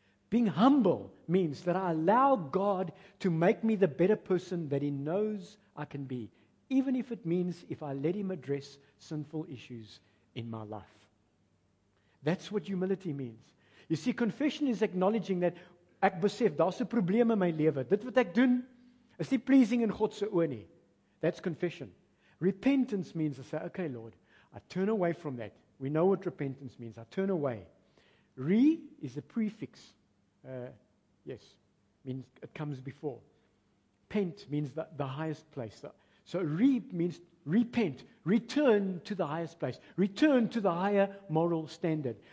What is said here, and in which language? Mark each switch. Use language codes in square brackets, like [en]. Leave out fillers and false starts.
[en] Being humble means that I allow God to make me the better person that He knows I can be, even if it means if I let Him address sinful issues in my life. That's what humility means. You see, confession is acknowledging that [af] ek besef, daar's 'n probleem in my lewe. Dit wat ek doen, is nie pleasing in God se oë nie. [en] That's confession. Repentance means to say, okay, Lord, I turn away from that. We know what repentance means. I turn away. Re is a prefix. Yes, means it comes before. Pent means the highest place. So re means repent, return to the highest place, return to the higher moral standard.